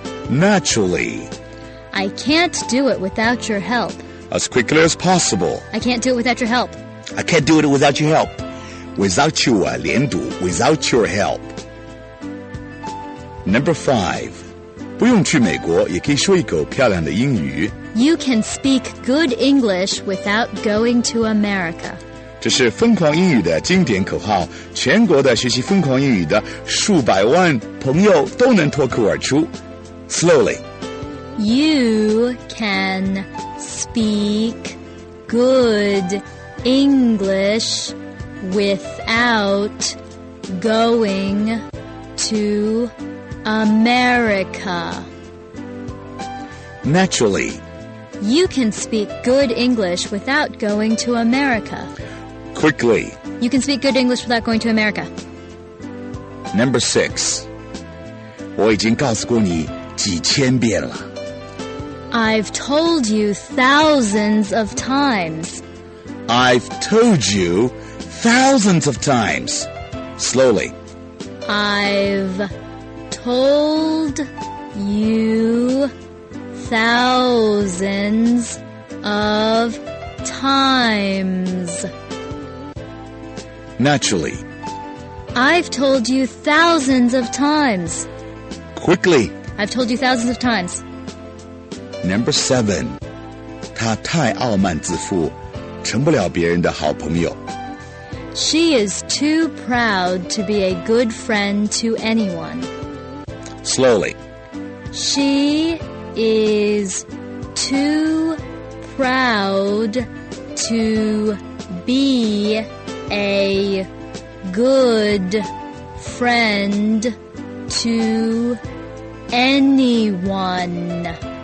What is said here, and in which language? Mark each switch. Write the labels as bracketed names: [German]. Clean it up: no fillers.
[English] Naturally. I can't do it without your help. As quickly as possible. I can't do it without your help. I can't do it without your help. Without you, 连读 without your help. Number five. [Chinese] 不用去美国也可以说一口漂亮的英语。 [English] You can speak good English without going to America. [Chinese] 这是疯狂英语的经典口号，全国的学习疯狂英语的数百万朋友都能脱口而出。 [English] Slowly. You can speak good English without going to America. Naturally. You can speak good English without going to America. Quickly. You can speak good English without going to America. Number six. [Chinese] 我已经告诉过你几千遍了。 [English] I've told you thousands of times. I've told you thousands of times. Slowly. I've told you thousands of times. Naturally. I've told you thousands of times. Quickly. I've told you thousands of times. Number seven, [Chinese] 她太傲慢自负，成不了别人的好朋友。 [English] She is too proud to be a good friend to anyone. Slowly. She is too proud to be a good friend to anyone.